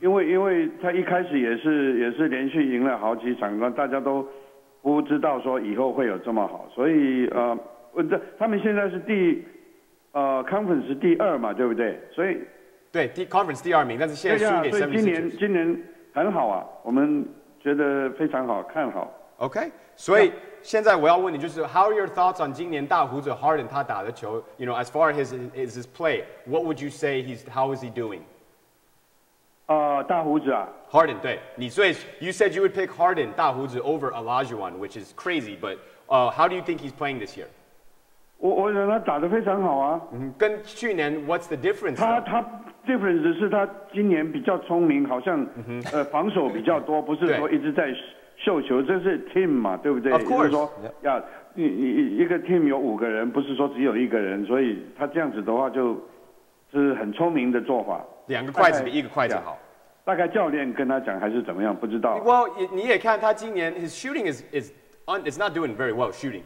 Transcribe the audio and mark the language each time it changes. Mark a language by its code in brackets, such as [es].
[zh] 因为他一开始也是连续赢了好几场，大家都不知道说以后会有这么好，所以他们现在是conference 第二嘛，对不对？所以对 conference 第二名，但是现在输给 76ers，所以今年很好啊，我们觉得非常好看好。 [en] OK， [zh] 所以现在我要问你，就是 [en] How are your thoughts on [zh] 今年大胡子 [en] Harden [zh] 他打的球 [en] ？You know, as far as his play, what would you say how is he doing？ [zh] 大胡子啊 [en] ，Harden， [zh] 对你最 [en] ，You said you would pick Harden 大胡子 over Olajuwon, which is crazy, but how do you think he's playing this year？ [zh] 我觉得他打得非常好啊。跟去年 [en] What's the difference？ [zh] 他 difference 是他今年比较聪明，好像、防守比较多，不是说一直在。秀球这是 team 嘛，对不对？ [en] Of course. [zh] 就是说、 [en] yeah. [zh] 一个 team 有五个人，不是说只有一个人，所以他这样子的话就是很聪明的做法。两个筷子比一个筷子好。大概教练跟他讲还是怎么样，不知道。 [en] Well, [zh] 你也看他今年 [en] his shooting is not doing very well shooting.